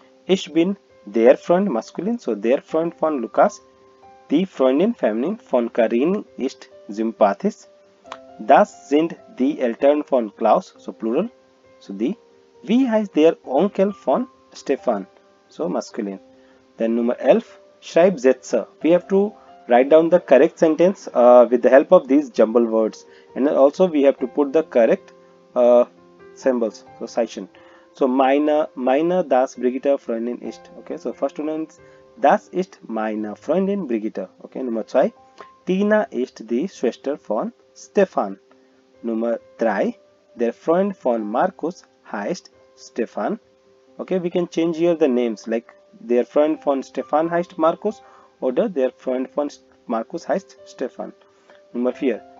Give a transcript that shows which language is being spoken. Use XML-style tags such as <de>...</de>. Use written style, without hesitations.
<de>Ich bin der Freund, masculine, so der Freund von Lukas. Die Freundin, feminine, von Karin ist sympathisch. Das sind die Eltern von Klaus, so plural. So die. Wie heißt der Onkel von Stefan, so masculine.</de> <en>Then number 11,</en> <de>schreib Sätze.</de> <en>We have to write down the correct sentence with the help of these jumble words. And then also we have to put the correct symbols, so Sichen.</en> <de>So meine das Brigitte Freundin ist.</de> <en>Okay, so first one is</en> <de>das ist meine Freundin Brigitte.</de> <en>Okay, number 2.</en> <de>Tina ist die Schwester von Stefan.</de> <en>Number 3.</en> <de>Der Freund von Markus heißt Stefan.</de> <en>Okay, we can change here the names, like their friend</en> <de>von Stefan heißt Markus oder</de> <en>their friend</en> <de>von Markus heißt Stefan.</de> <en>Number 4.</en>